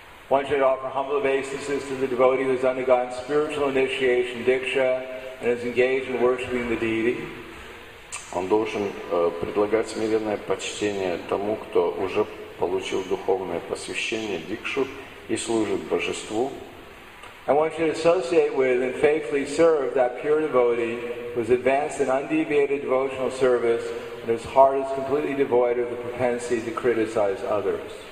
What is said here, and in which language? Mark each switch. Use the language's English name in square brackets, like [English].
[English] One should offer humble obeisances to the devotee who has undergone spiritual initiation, diksha, and is engaged in worshiping the deity. [Russian] Он должен предлагать смиренное почтение тому, кто уже получил духовное посвящение, дикшу, и служит божеству. [English] And one should associate with and faithfully serve that pure devotee who has advanced in undeviated devotional service and whose heart is completely devoid of the propensity to criticize others.